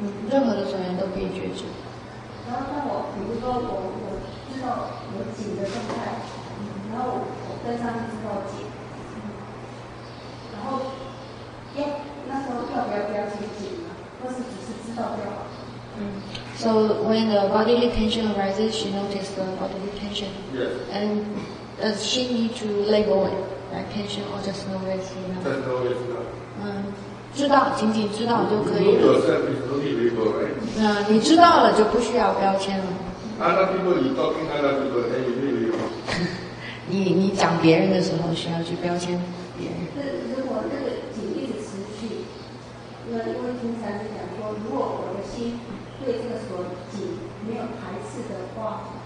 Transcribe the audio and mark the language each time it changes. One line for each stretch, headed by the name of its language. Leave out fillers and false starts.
Chinese: 任何的专员都可以觉知。然后当我比如说我知道我紧的状态，然后我跟上去知道紧，然后耶，那时候跳不要去紧，或是只是知道跳。
English: So when the bodily tension arises, she noticed the bodily tension. Yes. And does she need to label it, like tension or just know it's enough? Just know it's enough.
Chinese: 知道，仅仅知道就可以了。
English: You know yourself is only label, right?
Chinese: 你知道了就不需要标签了。
English: Other people, you talking other people, then you need label.
Chinese: 你讲别人的时候需要去标签别人。如果那个紧一直持续，因为平常是讲说，如果我的心对这个锁紧没有排斥的话，